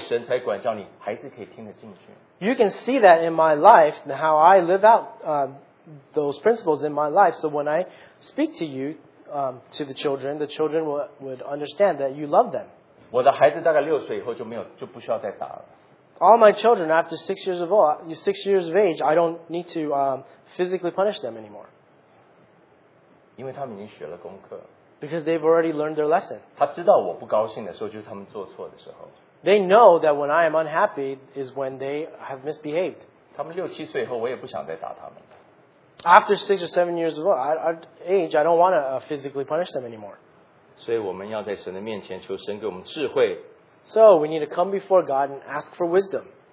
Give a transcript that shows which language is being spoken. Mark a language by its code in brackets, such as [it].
[zh] 你可以在我的生命里面这样子看到，所以当我跟你说我是因为爱你，爱神才管教你，还是可以听得进去。 [en] You can see that in my life, how I live out those principles in my life. So when I speak to you, to the children would understand that you love them. [zh] 我的孩子大概六岁以后就没有，就不需要再打了。 [en] All my children after 6 years of old, 6 years of age, I don't need to physically punish them anymore. [zh] 因为他们已经学了功课。 [en] Because they've already learned their lesson. [zh] 他知道我不高兴的时候，就是他们做错的时候。 [en] They know that when I am unhappy is when they have misbehaved. [zh] 他们六七岁以后，我也不想再打他们了。 [en] After 6 or 7 years of age, I don't want to physically punish them anymore. [zh] 所以我们要在神的面前求神给我们智慧。 [en] So we need to come before God and ask for wisdom.